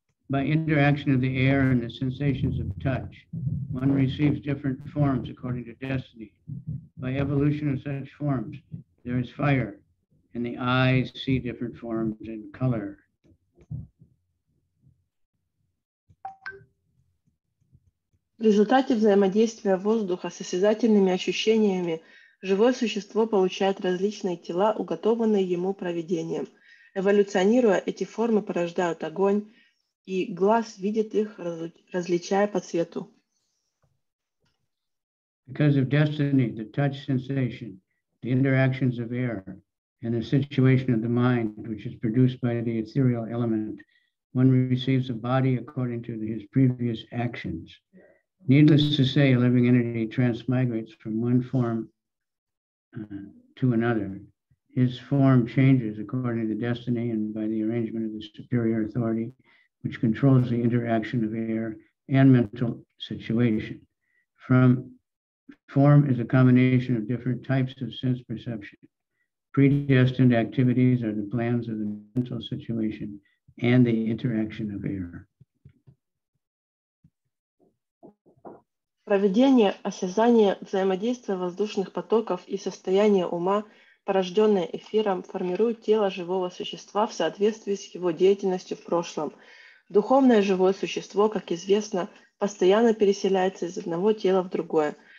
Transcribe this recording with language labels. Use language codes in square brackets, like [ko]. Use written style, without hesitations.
[en] By interaction of the air and the sensations of touch, one receives different forms according to destiny. By evolution of such forms, there is fire, and the eyes see different forms and color. [ru] В результате взаимодействия воздуха с осязательными ощущениями живое существо получает различные тела, уготованные ему провидением. Эволюционируя, эти формы порождают огонь, и глаз видит их, различая по цвету. [en] Because of destiny, the touch sensation, the interactions of air, and the situation of the mind, which is produced by the ethereal element, one receives a body according to his previous actions. Needless to say, a living entity transmigrates from one form to another. His form changes according to the destiny and by the arrangement of the superior authority, which controls the interaction of air and mental situation. From form is a combination of different types of sense perception. Predestined activities are the plans of the mental situation and the interaction of air. [ru] Проведение, осязание, взаимодействие воздушных потоков и состояние ума, порожденное эфиром, формирует тело живого существа в соответствии с его деятельностью в прошлом. Духовное живое существо, как известно, постоянно переселяется из одного тела в другое.